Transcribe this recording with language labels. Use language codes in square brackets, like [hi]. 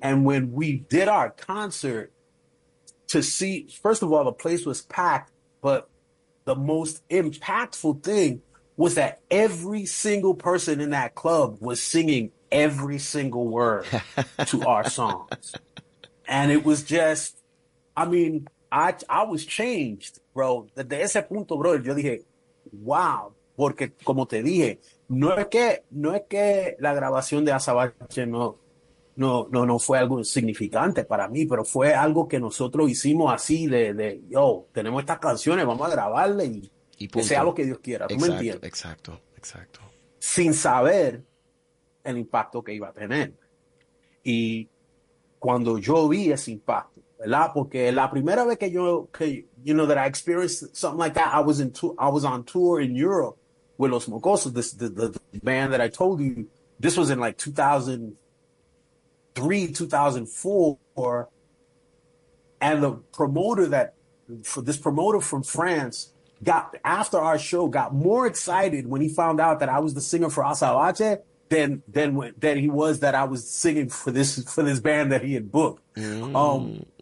[en] And when we did our concert, to see, first of all, the place was packed, but the most impactful thing was that every single person in that club was singing every single word to our songs. And it was just, I mean, I was changed, bro. [es] Desde ese punto, bro, yo dije, wow, porque como te dije, no es que la grabación de Azabache no fue algo significante para mí, pero fue algo que nosotros hicimos así de yo, tenemos estas canciones, vamos a grabarlas y que sea lo que Dios quiera, ¿tú exacto, me entiendes? Exacto, exacto. Sin saber el impacto que iba a tener. Y cuando yo vi ese impacto, ¿verdad? Porque la primera vez que [en] you know, that I experienced something like that, I was on tour in Europe with Los Mocosos, the band that I told you, this was in like 2003, 2004, and the promoter from France got, after our show, got more excited when he found out that I was the singer for Azabache than he was that I was singing for this band that he had booked. Mm.